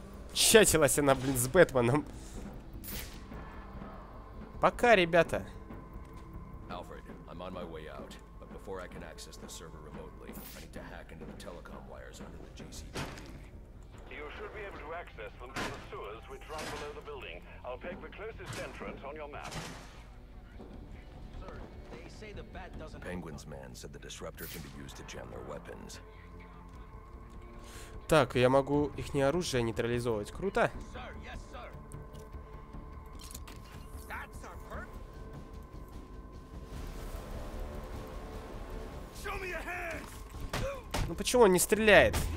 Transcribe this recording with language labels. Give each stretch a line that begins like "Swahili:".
Russian: Началась она, блин, с Бэтменом. Пока, ребята.
English: Alfred, I'm on my way out, but before I can access the server remotely, I need to hack into the telecom wires under the GCPD. You should be able to access them through the sewers which run below the building. I'll peg the closest entrance on your map. Sir, they say the bat doesn't... Penguin's man said the disruptor can be used to jam their weapons.
Russian: Так, я могу их не оружие нейтрализовывать. Круто. Ну почему он не стреляет?